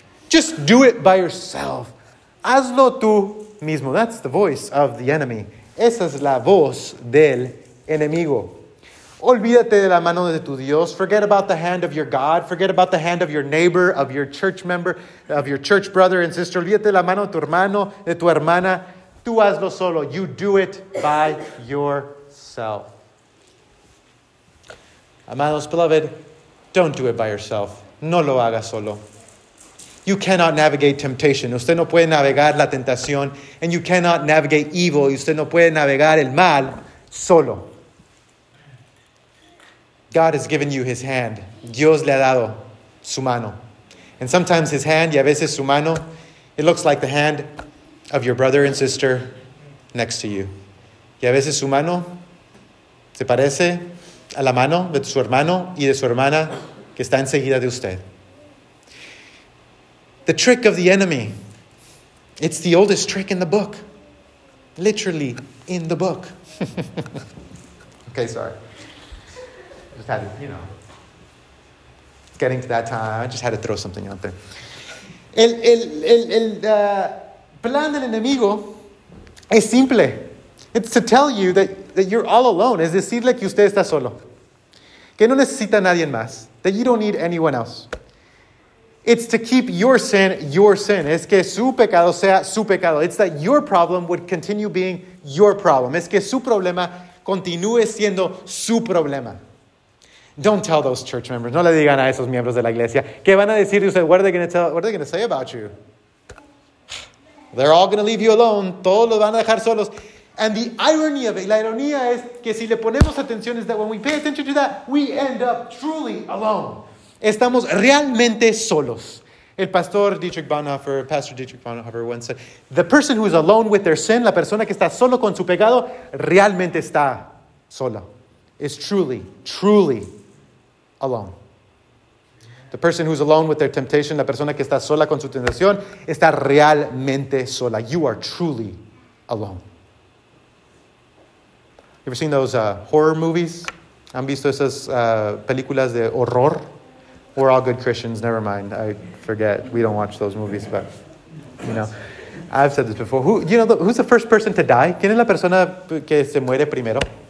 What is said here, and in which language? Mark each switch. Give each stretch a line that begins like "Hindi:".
English: Just do it by yourself.
Spanish: Hazlo tú mismo.
English: That's the voice of the enemy.
Spanish: Esa es la voz del enemigo. Olvídate de la mano de tu Dios.
English: Forget about the hand of your God. Forget about the hand of your neighbor, of your church member, of your church brother and sister.
Spanish: Olvídate de la mano de tu hermano, de tu hermana. Tú hazlo solo.
English: You do it by yourself. Amados, beloved, don't do it by yourself.
Spanish: No lo haga solo.
English: You cannot navigate temptation.
Spanish: Usted no puede navegar la tentación.
English: And you cannot navigate evil.
Spanish: Y usted no puede navegar el mal solo.
English: God has given you his hand.
Spanish: Dios le ha dado su mano.
English: And sometimes his hand,
Spanish: y a veces su mano,
English: it looks like the hand of your brother and sister next to you.
Spanish: Y a veces su mano se parece a la mano de su hermano y de su hermana que está enseguida de usted.
English: The trick of the enemy, it's the oldest trick in the book. Literally, in the book. Okay, sorry. Just had to, you know, getting to that time. I just had to throw something out there.
Spanish: El plan del enemigo es simple.
English: It's to tell you that you're all alone.
Spanish: Es decirle que usted está solo. Que no necesita nadie más.
English: That you don't need anyone else. It's to keep your sin, your sin.
Spanish: Es que su pecado sea su pecado.
English: It's that your problem would continue being your problem.
Spanish: Es que su problema continúe siendo su problema.
English: Don't tell those church members.
Spanish: No le digan a esos miembros de la iglesia. ¿Qué van a decir de usted?
English: What are they going to say about you? They're all going to leave you alone.
Spanish: Todos los van a dejar solos.
English: And the irony of it,
Spanish: la ironía es que si le ponemos atención es
English: that when we pay attention to that, we end up truly alone.
Spanish: Estamos realmente solos. El pastor Dietrich Bonhoeffer,
English: Pastor Dietrich Bonhoeffer once said, the person who is alone with their sin,
Spanish: la persona que está solo con su pecado, realmente está sola.
English: Is truly, truly alone. The person who is alone with their temptation,
Spanish: la persona que está sola con su tentación, está realmente sola.
English: You are truly alone. You ever seen those horror movies?
Spanish: ¿Han visto esas películas de horror?
English: We're all good Christians, never mind. I forget. We don't watch those movies, but, you know. I've said this before. Who's the first person to die?
Spanish: ¿Quién es la persona que se muere primero?